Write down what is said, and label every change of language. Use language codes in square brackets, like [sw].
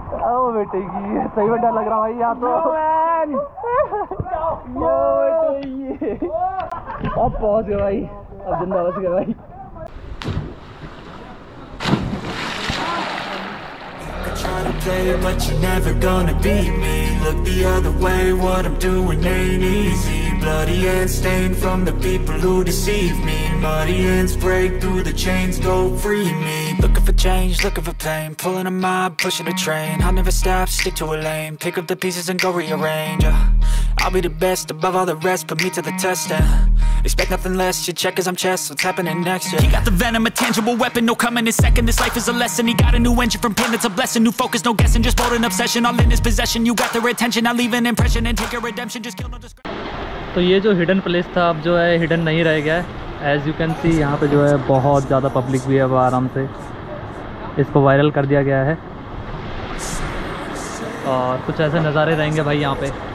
[hi] ओ बेटे की सही बेटा लग रहा भाई यहाँ तो। यो अब पहुंच गए भाई, अब जिंदा बच गए भाई। [en] Play, but you're never gonna beat me. Look the other way, what I'm doing ain't easy. Bloody hands stained from the people who deceive me. Muddy hands break through the chains, go free me. Looking for change, looking for pain. Pulling a mob, pushing a train. I'll never stop, stick to a lane. Pick up the pieces and go rearrange, yeah. I'll be the best above all the rest, put me to the test, yeah. Expect nothing less, you check as I'm chess, what's happening next, yeah. He got the venom, a tangible weapon, no coming in second, this life is a lesson. He got a new engine from pain, it's a blessing. New focus, no guessing, just bold and obsession, all in his possession. You got the retention, I'll leave an impression and take a redemption, just kill no discretion. [hi] तो ये जो hidden place था, अब जो है hidden नहीं रह गया है. [en] As you can see, [hi] यहाँ पे जो है बहुत ज़्यादा public भी है, वो आराम से इसको viral कर दिया गया है. और कुछ ऐसे नज़ारे रहेंगे भाई यहाँ पे.